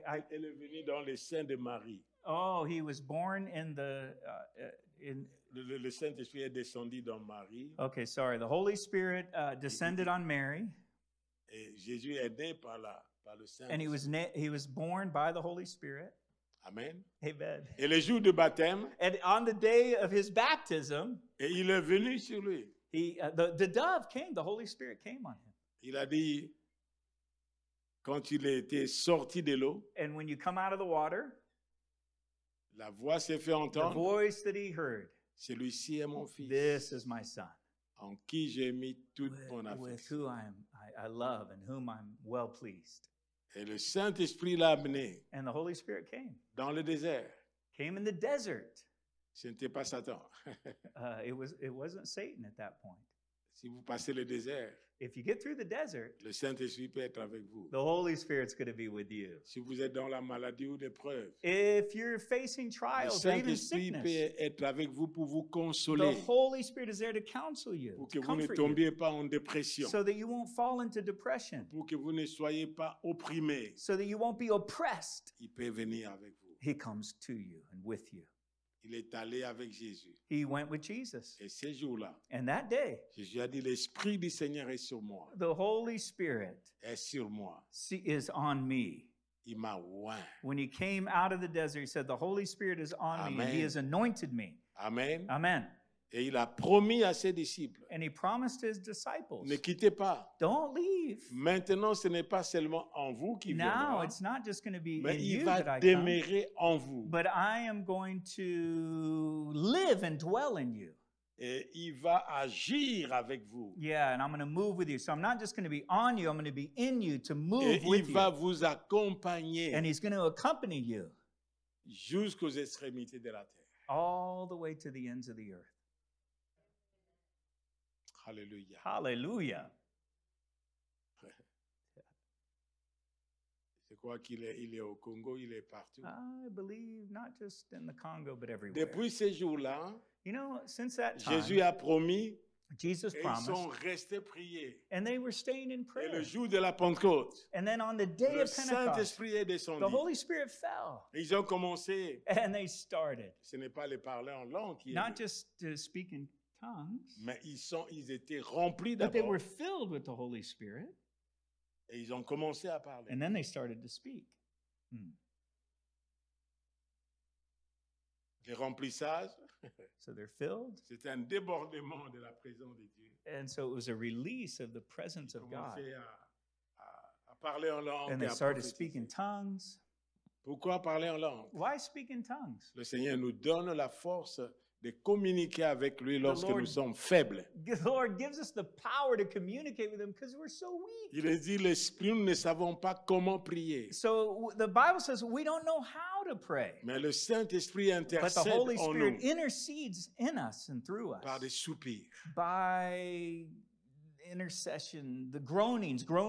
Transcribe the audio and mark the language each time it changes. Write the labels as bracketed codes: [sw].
[fr] Il est venu dans le sein de Marie. [en] Oh, he was born in the... [fr] Le Saint-Esprit est descendu dans Marie. [en] Okay, sorry. The Holy Spirit descended on Mary. [fr] Et Jésus est né par là, par le Saint-Esprit. [en] And he was born by the Holy Spirit. [fr] Amen. [en] Amen. [fr] Et le jour du baptême. [en] And on the day of his baptism. [fr] Et il est venu sur lui. [en] The dove came. The Holy Spirit came on him. [fr] Il a dit, quand il était sorti de l'eau. [en] And when you come out of the water. [fr] La voix s'est fait entendre. [en] The voice that he heard. [fr] Celui-ci est mon fils. [en] This is my son. [fr] En qui j'ai mis toute mon affection. [en] With whom I love and whom I'm well pleased. [fr] Et le Saint-Esprit l'a amené. [en] And the Holy Spirit came. [fr] Dans le désert. [en] Came in the desert. [fr] Ce n'était pas Satan. [en] it wasn't Satan at that point. [fr] Si vous passez le désert. [en] If you get through the desert. [fr] Le Saint-Esprit peut être avec vous. [en] The Holy Spirit's going to be with you. [fr] Si vous êtes dans la maladie ou l'épreuve. [en] If you're facing trials, even sickness. [fr] Le Saint-Esprit peut être avec vous pour vous consoler. [en] The Holy Spirit is there to counsel you. [fr] Pour que vous ne tombiez pas en dépression. [en] So that you won't fall into depression. [fr] Pour que vous ne soyez pas opprimé. [en] So that you won't be oppressed. [fr] Il peut venir avec vous. [en] He comes to you and with you. [fr] Il est allé avec Jésus. [en] He went with Jesus. [fr] Et ce jour-là. [en] And that day. [fr] Jésus a dit, l'Esprit du Seigneur est sur moi. [en] The Holy Spirit. [fr] Est sur moi. [en] Is on me. [fr] Il m'a oint. [en] When he came out of the desert, he said, the Holy Spirit is on [fr] Amen. [en] Me. And he has anointed me. [fr] Amen. [en] Amen. [fr] Et il a promis à ses disciples. [en] And he promised his disciples. [fr] Ne quittez pas. [en] Don't leave. [fr] Maintenant, ce n'est pas seulement en vous qui viendra. [en] Now, it's not just going to be in you that I come. [fr] Mais il va demeurer en vous. [en] But I am going to live and dwell in you. [fr] Et il va agir avec vous. [en] Yeah, and I'm going to move with you. So I'm not just going to be on you, I'm going to be in you to move [fr] Et [en] with you. [fr] Et il va vous accompagner. [en] And he's going to accompany you. [fr] Jusqu'aux extrémités de la terre. [en] All the way to the ends of the earth. [fr] Hallelujah. [en] Hallelujah. [fr] Je crois qu'il est, il est au Congo, il est partout. [en] I believe not just in the Congo, but everywhere. [fr] Depuis ces jours-là, [en] you know, since that time, [fr] Jésus a promis, [en] Jesus promised, [fr] ils sont restés priés. [en] And they were staying in prayer. [fr] Et le jour de la Pentecôte, [en] and then on the day [fr] le [en] of [fr] Saint-Esprit est descendu. [en] The Holy Spirit fell. [fr] Ils ont commencé. [en] And they started. [fr] Ce n'est pas les parler en langue qui est. [en] Not just to speak in tongues, [fr] mais ils étaient remplis d'abord. [en] But they were filled with the Holy Spirit. [fr] Et ils ont commencé à parler. [en] And then they started to speak. [fr] Le remplissage. [en] So they're filled. [fr] C'est un débordement de la présence de Dieu. [en] And so it was a release of the presence of God. [fr] À parler en langue. [en] And they started to speak in tongues. [fr] Pourquoi parler en langue? [en] Why speak in tongues? [fr] Le Seigneur nous donne la force de communiquer avec lui lorsque nous sommes faibles. [en] The Lord gives us the power to communicate with him because we're so weak. [fr] Il est dit, l'esprit, nous ne savons pas comment prier. [en] So the Bible says we don't know how to pray. [fr] Mais le Saint-Esprit intercède en nous. [en] But the Holy Spirit intercedes in us and through us. [fr] Par des soupirs. [en] By intercession, the groanings.